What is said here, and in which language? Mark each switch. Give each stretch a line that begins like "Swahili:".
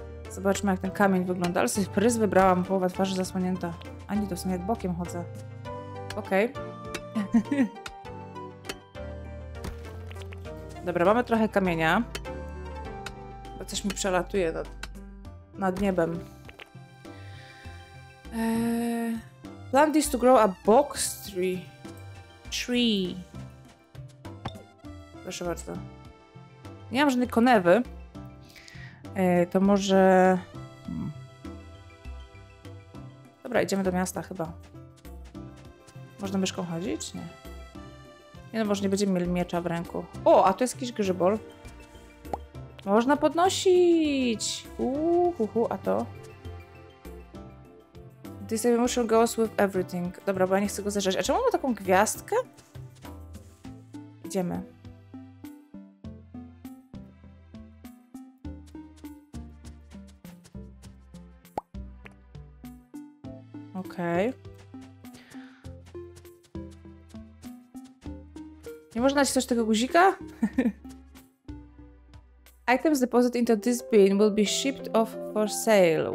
Polish: Zobaczmy, jak ten kamień wygląda. Ale sobie pryz wybrałam, połowa twarzy zasłonięta. Ani to są jak bokiem chodzę. Okej. Dobra, mamy trochę kamienia. Bo coś mi przelatuje nad niebem.
English: Plant is to grow a box tree.
Polish: Proszę bardzo. Nie mam żadnej konewy. To może... Dobra, idziemy do miasta chyba. Można myszką chodzić? Nie. Nie, no może nie będziemy mieli miecza w ręku. O, a tu jest jakiś grzybol. Można podnosić! Uhuhu, a to?
English: This emotion goes with everything.
Polish: Dobra, bo ja nie chcę go zerzeć. A czemu mamy taką gwiazdkę? Idziemy. Okej. Nie można nacisnąć tego guzika?
English: Items deposit into this bin will be shipped off for sale.